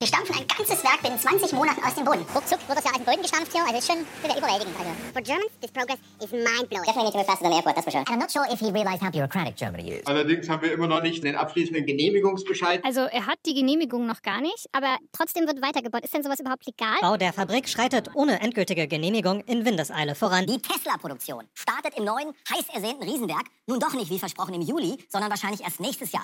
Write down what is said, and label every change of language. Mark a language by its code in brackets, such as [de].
[de] Wir stampfen ein ganzes Werk binnen 20 Monaten aus dem Boden. Ruckzuck wird das ja aus dem Boden gestampft hier. Also ist schon sehr überwältigend. Also. [en] For Germans, this progress is mind-blowing. Definitely need to move faster than the airport, that's for sure. And I'm not sure if he realized how bureaucratic Germany is. [de] Allerdings haben wir immer noch nicht den abschließenden Genehmigungsbescheid. Also er hat die Genehmigung noch gar nicht, aber trotzdem wird weitergebaut. Ist denn sowas überhaupt legal? Bau der Fabrik schreitet ohne endgültige Genehmigung in Windeseile voran. Die Tesla-Produktion startet im neuen, heiß ersehnten Riesenwerk. Nun doch nicht, wie versprochen, im Juli, sondern wahrscheinlich erst nächstes Jahr.